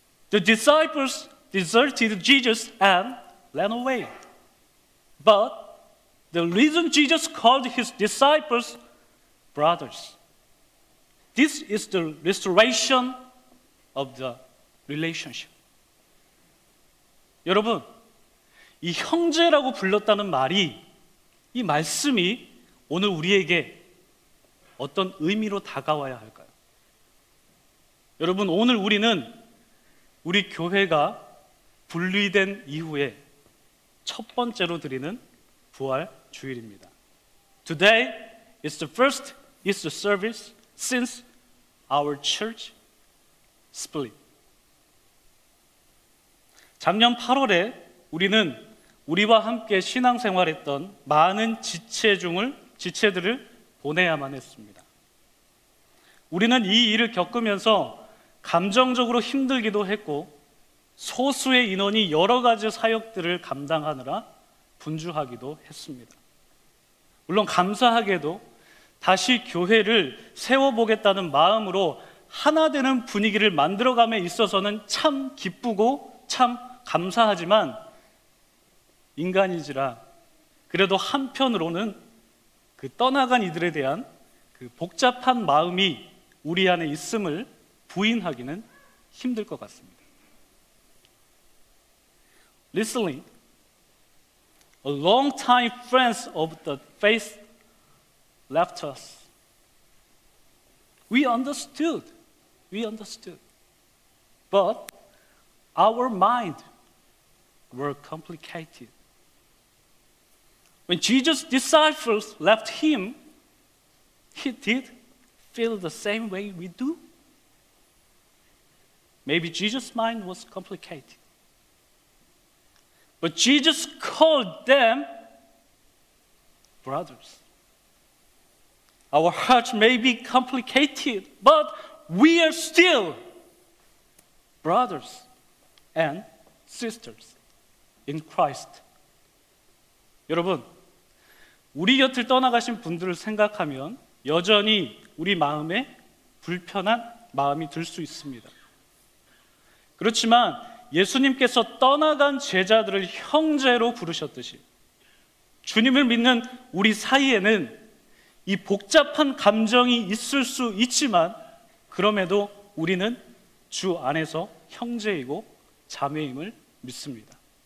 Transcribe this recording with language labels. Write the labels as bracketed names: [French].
[English] The disciples deserted Jesus and ran away. But the reason Jesus called his disciples brothers, this is the restoration of the relationship. [Korean] 여러분, 이 형제라고 불렀다는 말이, 이 말씀이 오늘 우리에게 어떤 의미로 다가와야 할까요? 여러분, 오늘 우리는 우리 교회가 분리된 이후에 첫 번째로 드리는 부활 주일입니다. [English] Today is the first Easter service since our church split. [Korean] 작년 8월에 우리는 우리와 함께 신앙생활했던 많은 지체들을 보내야만 했습니다. 우리는 이 일을 겪으면서 감정적으로 힘들기도 했고 소수의 인원이 여러 가지 사역들을 감당하느라 분주하기도 했습니다. 물론 감사하게도 다시 교회를 세워보겠다는 마음으로 하나 되는 분위기를 만들어감에 있어서는 참 기쁘고 참 감사하지만 인간이지라 그래도 한편으로는 그 떠나간 이들에 대한 그 복잡한 마음이 우리 안에 있음을 부인하기는 힘들 것 같습니다. [English] Recently, a long-time friend of the faith left us. We understood. But our mind were complicated. When Jesus' disciples left him, he did feel the same way we do. Maybe Jesus' mind was complicated. But Jesus called them brothers. Our hearts may be complicated, but we are still brothers and sisters in Christ. [Korean] 여러분, 우리 곁을 떠나가신 분들을 생각하면 여전히 우리 마음에 불편한 마음이 들 수 있습니다. 그렇지만 예수님께서 떠나간 제자들을 형제로 부르셨듯이 주님을 믿는 우리 사이에는 이 복잡한 감정이 있을 수 있지만 그럼에도 우리는 주 안에서 형제이고 자매임을 믿습니다.